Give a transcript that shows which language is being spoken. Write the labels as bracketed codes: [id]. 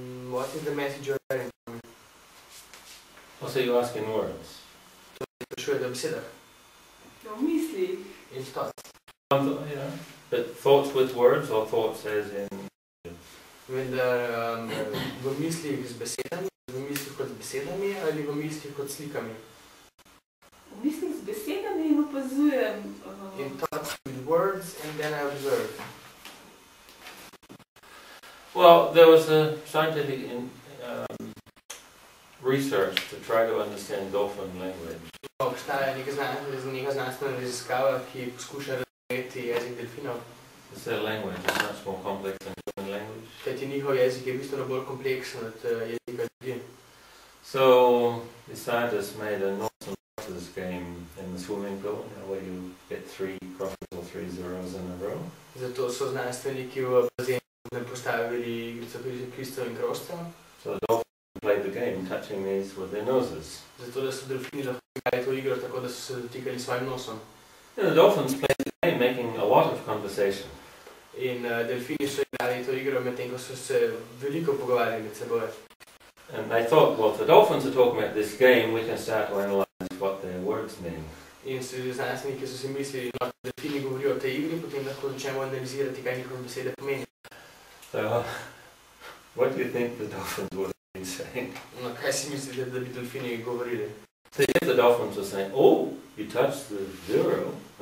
[en] What is the message you are hearing from me? Oh, so you ask in words? To show them sitter. In thoughts. But thoughts with words or thoughts as in? [sl] With v mislih z besedami, v mislih kot z besedami ali v mislih kot slikami? V mislih z besedami in opazujem. [en] In thoughts with words and then I observe. Well, there was a scientific research to try to understand dolphin language. [sl] Obstaja neka znanstvena raziskava, ki poskuša razumeti jezik delfinov. [en] It's their language, it's much more complex than human language. [sl] Kajti njihov jezik je bistveno bolj kompleksen od jezika ljudi. [en] So, the scientists made an awesome process game in the swimming pool, where you get 3 crosses or 3 zeros in a row. [sl] Zato so znanstveniki v bazenu postavili igrico kristal in krosta. [en] So the dolphins played the game, touching these with their noses. [sl] Zato da so delfini lahko igrali to igro, tako da so se dotikali svojim nosom. [en] The dolphins played making a lot of conversation. [sl] In delfini so igrali to igro medtem, ko so se veliko pogovarjali med seboj. [en] And they thought, well, if the dolphins are talking about this game, we can start to analyze what their words mean. [sl] In znanstveniki so si mislili, no, delfini govorijo o tej igri, potem lahko začnemo analizirati, kaj njihove besede pomenijo. [en] So, what do you think the dolphins would have been saying? [sl] No, kaj si mislite, da bi delfini govorili? [en] So, if the dolphins were saying, oh, you touched the zero,